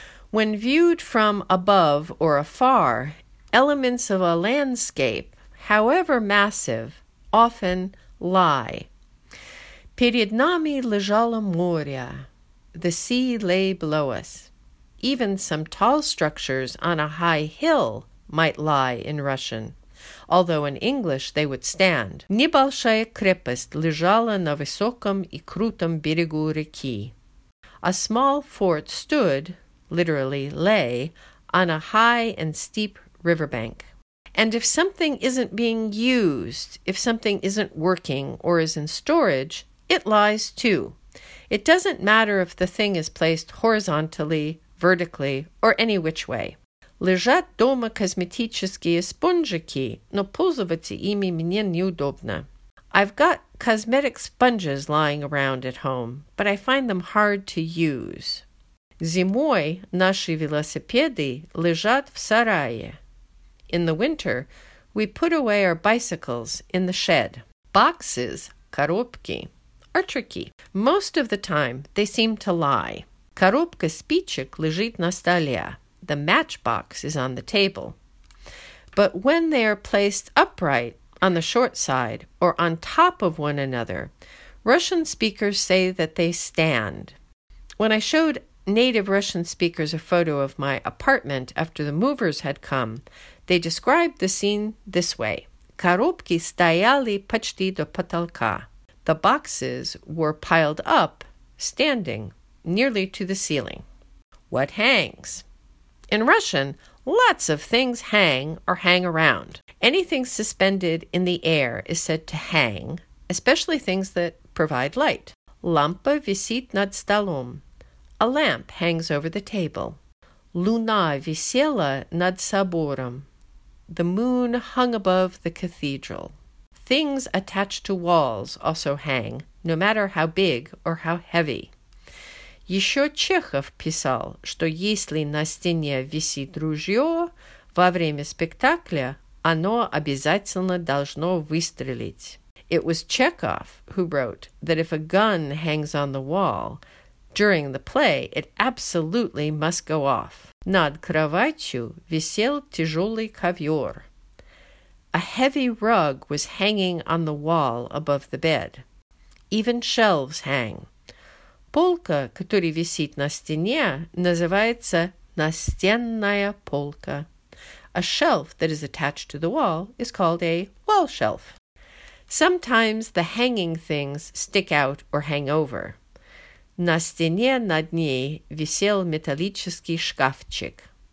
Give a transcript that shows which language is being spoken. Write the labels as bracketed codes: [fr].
[en] When viewed from above or afar, elements of a landscape, however massive, often lie. [ru] Перед нами лежало море. [en] The sea lay below us. Even some tall structures on a high hill might lie in Russian, although in English they would stand. [ru] Небольшая крепость лежала на высоком и крутом берегу реки. [en] A small fort stood, literally lay, on a high and steep riverbank. And if something isn't being used, if something isn't working or is in storage, it lies too. It doesn't matter if the thing is placed horizontally, vertically, or any which way. [ru] Лежат дома косметические спонжики, но пользоваться ими мне неудобно. [en] I've got cosmetic sponges lying around at home, but I find them hard to use. [ru] Зимой наши велосипеды лежат в сарае. [en] In the winter, we put away our bicycles in the shed. Boxes, коробки, are tricky. Most of the time, they seem to lie. [ru] Коробка спичек лежит на столе. [en] The matchbox is on the table. But when they are placed upright, on the short side, or on top of one another, Russian speakers say that they stand. When I showed native Russian speakers a photo of my apartment after the movers had come, they described the scene this way. [ru] Коробки стояли почти до потолка. [en] The boxes were piled up, standing, nearly to the ceiling. What hangs? In Russian, lots of things hang or hang around. Anything suspended in the air is said to hang, especially things that provide light. [ru] Лампа висит над столом. [en] A lamp hangs over the table. [ru] Луна висела над собором. [en] The moon hung above the cathedral. Things attached to walls also hang, no matter how big or how heavy. [ru] Еще Чехов писал, что если на стене висит ружье, во время спектакля оно обязательно должно выстрелить. [en] It was Chekhov who wrote that if a gun hangs on the wall during the play, it absolutely must go off. [ru] Над кроватью висел тяжелый ковер. [en] A heavy rug was hanging on the wall above the bed. Even shelves hang. [ru] Полка, которая висит на стене, называется настенная полка. [en] A shelf that is attached to the wall is called a wall shelf. Sometimes the hanging things stick out or hang over. [ru] На стене над ней висел металлический шкафчик.